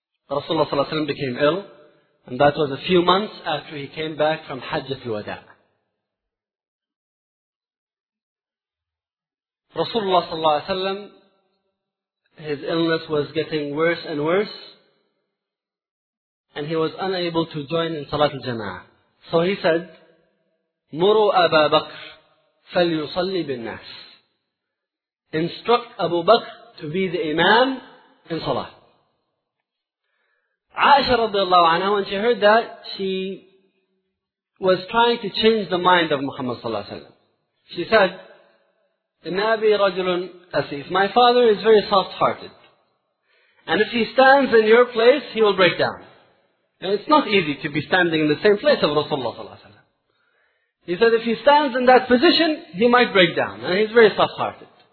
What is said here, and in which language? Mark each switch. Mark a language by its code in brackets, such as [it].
[en] Rasulullah ﷺ became ill, and that was a few months after he came back from Hajj al-Wada. Rasulullah ﷺ, his illness was getting worse and worse, and he was unable to join in Salat al-Jama'ah. So he said, [ar] مُرُوا أَبَا بَكْرِ فَلْيُصَلِّ بِالنَّاسِ. [en] Instruct Abu Bakr to be the Imam in Salah. Aisha radiallahu anha, when she heard that, she was trying to change the mind of Muhammad sallallahu alayhi wa sallam. She said, [ar] إِنَّ أَبِي رَجُلٌ أَسِيفٌ. [en] My father is very soft-hearted. And if he stands in your place, he will break down. And it's not easy to be standing in the same place of Rasulullah sallallahu alayhi wa sallam. He said, if he stands in that position, he might break down. And he's very soft-hearted.